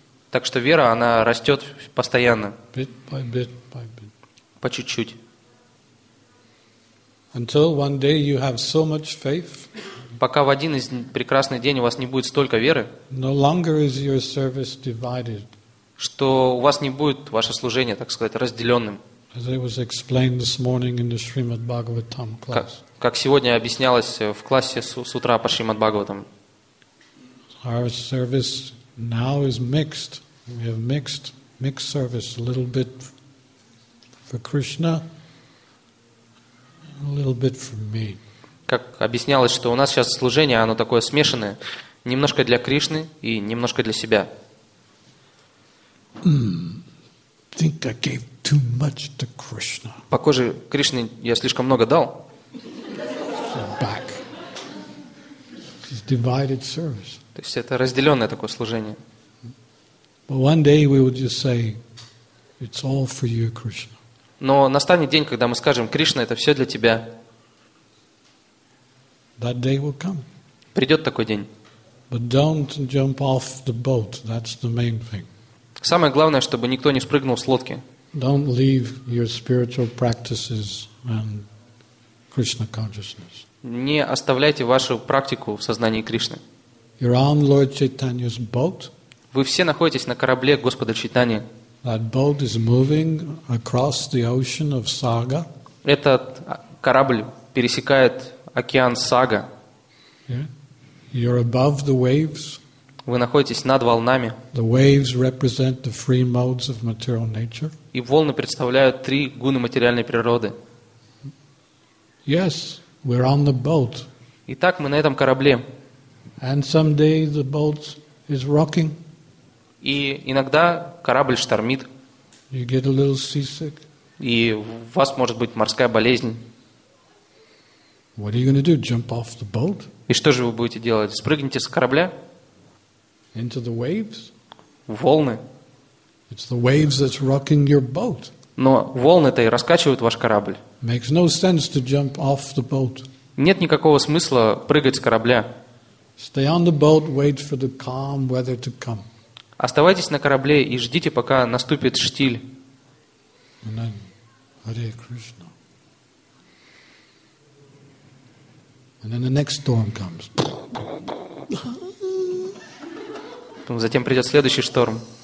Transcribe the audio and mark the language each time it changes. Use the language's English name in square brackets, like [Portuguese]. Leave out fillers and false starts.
[Russian] Так что вера, она растет постоянно. [English] Bit by bit by bit. [Russian] По чуть-чуть. [English] Until one day you have so much faith, [Russian] пока в один из прекрасных дней у вас не будет столько веры, [English] no longer is your service divided, [Russian] что у вас не будет ваше служение, так сказать, разделенным. [English] As it was explained this morning in the Srimad Bhagavatam class. [Russian] Как сегодня объяснялось в классе с утра по Шримад Бхагаватам. [English] Our service now is mixed. We have mixed service. A little bit for Krishna, a little bit for me. [Russian] Как объяснялось, что у нас сейчас служение, оно такое смешанное, немножко для Кришны и немножко для себя. [English] Think I gave too much to Krishna. [Russian] Похоже, Кришне я слишком много дал. [English] Back. It's divided service. [Russian] То есть это разделенное такое служение. [English] But one day we will just say, it's all for you, Krishna. [Russian] Но настанет день, когда мы скажем, Кришна, это все для тебя. [English] That day will come. [Russian] Придет такой день. [English] But don't jump off the boat. That's the main thing. [Russian] Самое главное, чтобы никто не спрыгнул с лодки. [English] Don't leave your spiritual practices and Krishna consciousness. [Russian] Не оставляйте вашу практику в сознании Кришны. [English] You're on Lord Chaitanya's boat. [Russian] Вы все находитесь на корабле Господа Чайтани. [English] That boat is moving across the ocean of Saga. [Russian] Этот корабль пересекает океан Сага. [English] You're above the waves. [Russian] Вы находитесь над волнами. [English] The waves represent the three modes of material nature. [Russian] И волны представляют три гуны материальной природы. [English] Yes, we're on the boat. [Russian] Итак, мы на этом корабле. [English] And someday the boat is rocking. [Russian] И иногда корабль штормит. [English] You get a little seasick. [Russian] И у вас может быть морская болезнь. [English] What are you going to do? Jump off the boat? [Russian] И что же вы будете делать? Спрыгните с корабля? [English] Into the waves? [Russian] Волны. [English] It's the waves that's rocking your boat. [Russian] Но волны-то и раскачивают ваш корабль. [English] Makes no sense to jump off the boat. [Russian] Нет никакого смысла прыгать с корабля. [English] Stay on the boat, wait for the calm weather to come. [Russian] Оставайтесь на корабле и ждите, пока наступит штиль. [English] And then, Hare Krishna. And then the next storm comes. [Russian] Затем придет следующий шторм.